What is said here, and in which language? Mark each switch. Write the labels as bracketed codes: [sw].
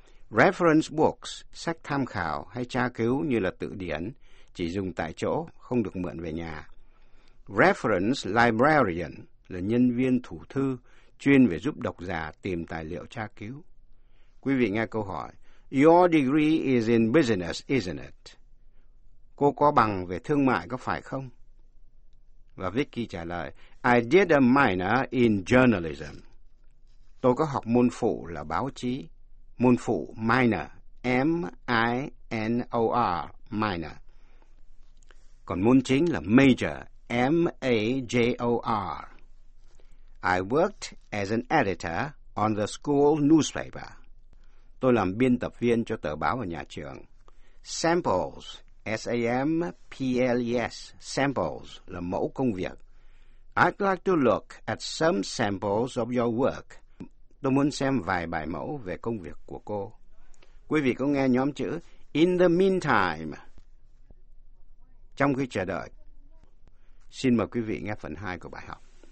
[vi] Reference books, sách tham khảo hay tra cứu như là từ điển, chỉ dùng tại chỗ, không được mượn về nhà. Reference librarian là nhân viên thủ thư, chuyên về giúp độc giả tìm tài liệu tra cứu. Quý vị nghe câu hỏi. [en] Your degree is in business, isn't it? [vi] Cô có bằng về thương mại có phải không? Và Vicky trả lời, [en] I did a minor in journalism. [vi] Tôi có học môn phụ là báo chí. Môn phụ minor, M-I-N-O-R, minor. Còn môn chính là major, M-A-J-O-R. [en] I worked as an editor on the school newspaper. [vi] Tôi làm biên tập viên cho tờ báo ở nhà trường. Samples, S-A-M-P-L-E-S, samples là mẫu công việc. [en] I'd like to look at some samples of your work. [vi] Tôi muốn xem vài bài mẫu về công việc của cô. Quý vị có nghe nhóm chữ in the meantime, trong khi chờ đợi. Xin mời quý vị nghe phần 2 của bài học.